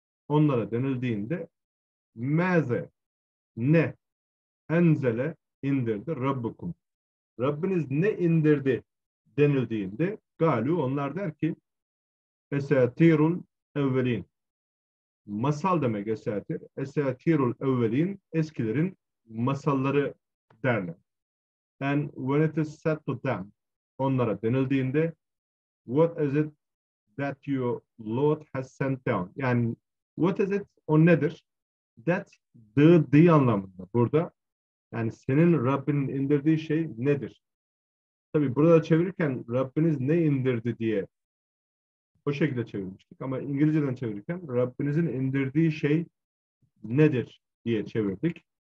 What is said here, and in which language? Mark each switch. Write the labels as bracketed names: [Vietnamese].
[Turkish] Onlara denildiğinde meze ne enzele indirdi Rabbukum. Rabbiniz ne indirdi denildiğinde galu onlar der ki esatirul evvelin. Masal demek esatir. Esatirul evvelin eskilerin masalları derler. [English] And when it is said to them, [Turkish] onlara denildiğinde [English] what is it that your Lord has sent down? [Turkish] Yani [English] what is it, [Turkish] o nedir? That, the anlamında burada. Yani senin Rabbinin indirdiği şey nedir? Tabi burada çevirirken Rabbiniz ne indirdi diye o şekilde çevirmiştik. Ama İngilizce'den çevirirken Rabbinizin indirdiği şey nedir diye çevirdik.